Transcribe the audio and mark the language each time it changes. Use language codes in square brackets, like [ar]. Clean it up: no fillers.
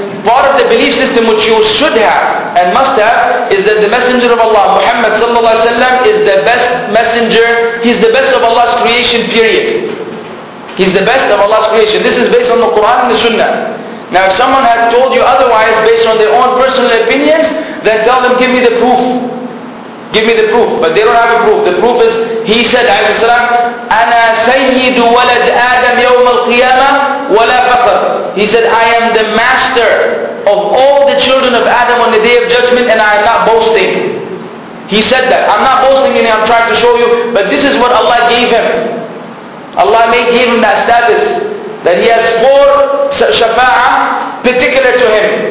[en] part of the belief system which you should have and must have is that the Messenger of Allah, Muhammad sallallahu alaihi wasallam, is the best messenger. He's the best of Allah's creation, period. He's the best of Allah's creation. This is based on the Quran and the Sunnah. Now if someone had told you otherwise based on their own personal opinions, then tell them, give me the proof. Give me the proof. But they don't have a proof. The proof is, he said, alayhi salam, [ar] أَنَا سَيِّدُ وَلَدْ آدَمْ يَوْمَ الْقِيَامَةِ وَلَا فَقَرْ. [en] He said, I am the master of all the children of Adam on the Day of Judgment, and I am not boasting. He said that. I'm not boasting in it, I'm trying to show you. But this is what Allah gave him. Allah made him that status, that he has four shafa'ah particular to him.